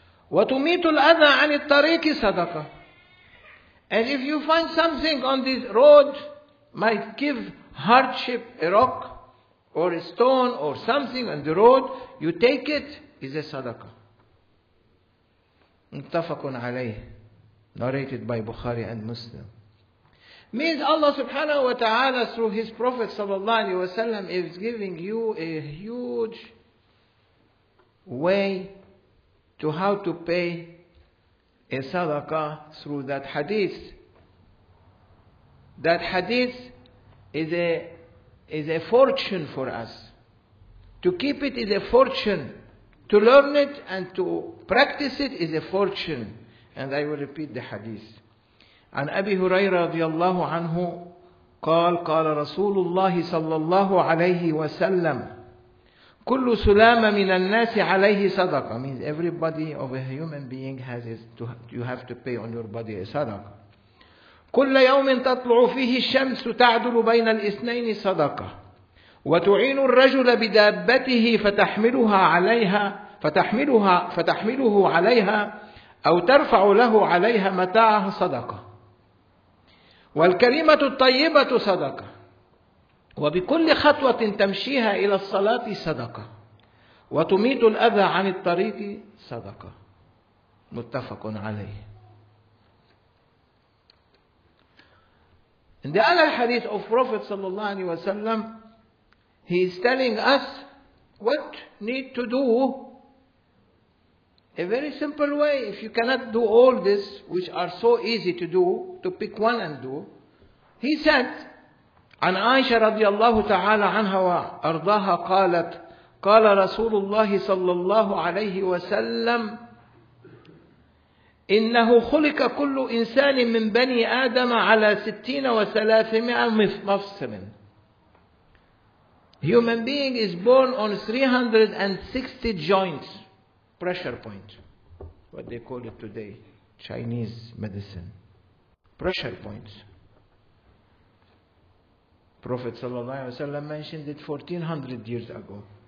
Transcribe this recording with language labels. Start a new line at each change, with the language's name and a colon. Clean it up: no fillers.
Arabic: وتميت الأذى عن الطريق صدقة.
English: And if you find something on this road might give hardship, a rock or a stone or something on the road, you take it, is a صدقة.
Arabic: متفق عليه.
English: Narrated by Bukhari and Muslim. Means Allah subhanahu wa ta'ala through His Prophet sallallahu alayhi wa sallam is giving you a huge way to how to pay a sadaqah through that hadith. That hadith is a fortune for us. To keep it is a fortune. To learn it and to practice it is a fortune. And I will repeat the hadith.
Arabic: عن أبي هريرة رضي الله عنه قال قال رسول الله صلى الله عليه وسلم كل سلام من الناس عليه صدقة.
English: Means everybody of a human being has his, you have to pay on your body a صدقة.
Arabic: كل يوم تطلع فيه الشمس تعدل بين الاثنين صدقة. وتعين الرجل بدابته فتحملها عليها فتحمله عليها أو ترفع له عليها متاعها صدقة. والكلمة الطيبة صدقة. وبكل خطوة تمشيها إلى الصلاة صدقة. وتميت الأذى عن الطريق صدقة. متفق عليه.
English: In the other hadith of Prophet صلى الله عليه وسلم, he is telling us what need to do. A very simple way, if you cannot do all this, which are so easy to do, to pick one and do. He said,
Arabic: عن عائشة رضي الله تعالى عنها وأرضاها قالت قال رسول الله صلى الله عليه وسلم إنه خلق كل إنسان من بني آدم على 60 و300 مفصل.
English: Human being is born on 360 joints, pressure point, what they call it today, Chinese medicine, pressure points. Prophet sallallahu alaihi wasallam mentioned it 1400 years ago.